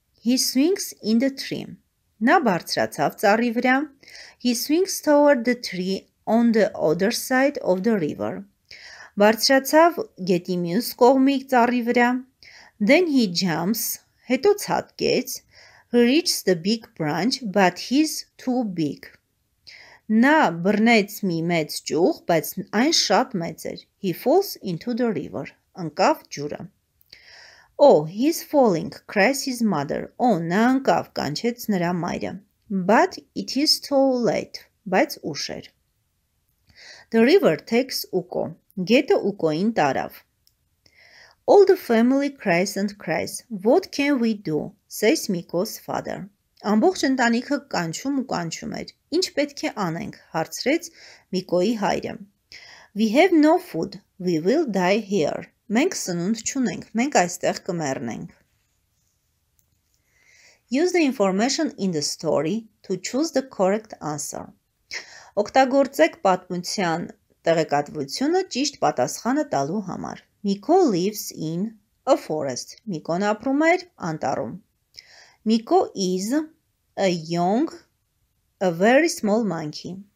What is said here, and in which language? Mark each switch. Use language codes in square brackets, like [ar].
[en] He swings in the tree. [hy] Նա բարձրացավ ծառի վրա. [en] He swings toward the tree on the other side of the river. [hy] Վարձրացավ գետի մյուս կողմի ծառի վրա. [en] Then he jumps, [hy] հետո ցատկեց. [en] Reached the big branch, but he's too big. [hy] Նա բռնեց մի մեծ ճյուղ, բայց այն շատ մեծ էր. [en] He falls into the river. [hy] Ընկավ ջուրը. [en] Oh, he's falling, cries his mother. [hy] Oh, նա ընկավ, կանչեց նրա մայրը. [en] But it is too late. [hy] Բայց ուշ էր. [en] The river takes Uko. [hy] Գետը Ուկոին տարավ. [en] All the family cries and cries. What can we do? Says Miko's father. [hy] Ամբողջ ընտանիքը կանչում ու կանչում էր. Ինչ պետք է անենք, հարցրեց Միկոյի հայրը. [en] We have no food. We will die here. [hy] Մենք սնունդ չունենք, մենք այստեղ կմեռնենք. [en] Use the information in the story to choose the correct answer. [hy] Օգտագործեք պատմության տեղեկատվությունը ճիշտ պատասխանը տալու համար. [en] Miko lives in a forest. [hy] Միկոն ապրում էր անտառում. [en] Miko is a young, a very small monkey.